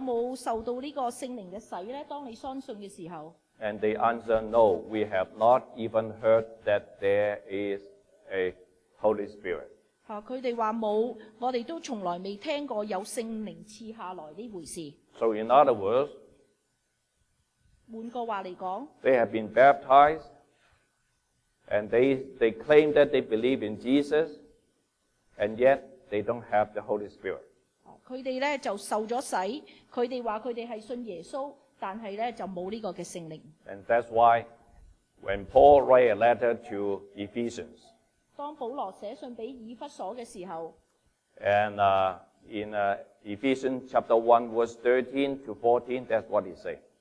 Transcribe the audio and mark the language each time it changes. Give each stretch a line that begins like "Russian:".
Chinese: 保羅就問他們,你有沒有受到這個聖靈的洗呢?當你相信的時候?
English: And they answered, no, we have not even heard that there is a Holy Spirit.
Chinese: 他們說沒有,我們都從來沒聽過有聖靈賜下來這回事。
English: So in other words,
Chinese: 換個話來講,
English: they have been baptized, and they claim that they believe in Jesus, and yet they don't have the Holy Spirit.
Chinese: 他們就受了洗,他們說他們是信耶穌,但是就沒有這個聖靈。
English: And that's why when Paul write a letter to Ephesians,
Chinese: 當保羅寫信給以弗所的時候,
English: and Ephesians chapter 1 verse 13 to 14, that's what he said.